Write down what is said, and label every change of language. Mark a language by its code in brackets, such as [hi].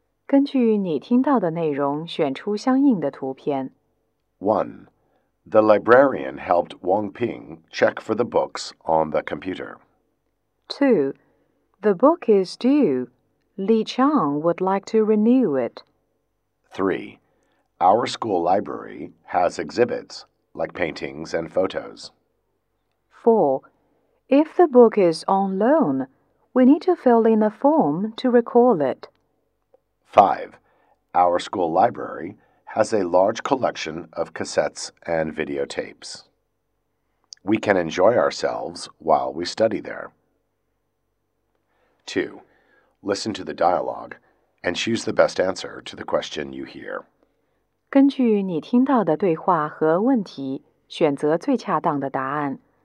[zh] 根据你听到的内容选出相应的图片。 [en] 1. The librarian helped Wang Ping check for the books on the computer. 2. The book is due. Li Qiang would like to renew it. 3. Our school library has exhibits, like paintings and photos. 4. If the book is on loan, we need to fill in a form to recall it. 5. Our school library has a large collection of cassettes and videotapes. We can enjoy ourselves while we study there. 2. Listen to the dialogue and choose the best answer to the question you hear. [zh] 根据你听到的对话和问题，选择最恰当的答案。